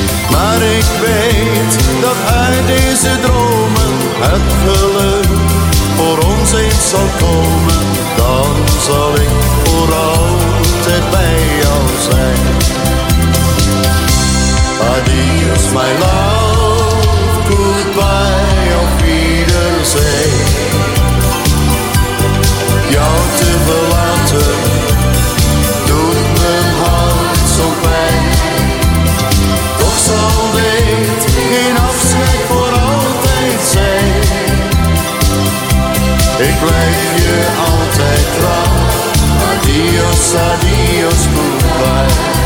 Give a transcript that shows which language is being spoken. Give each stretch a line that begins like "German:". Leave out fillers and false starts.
Dutch: Maar ik weet dat uit deze dromen het geluk voor ons eens zal komen. Dan zal ik voor altijd bij jou zijn.
English: Adios, my love.
German: Goodbye, auf Wiedersehen.
Dutch: Jou te verlaten doet mijn hart zo pijn. Toch zal dit geen afscheid voor altijd zijn. Ik blijf je altijd trouw. Adios, adios, goodbye.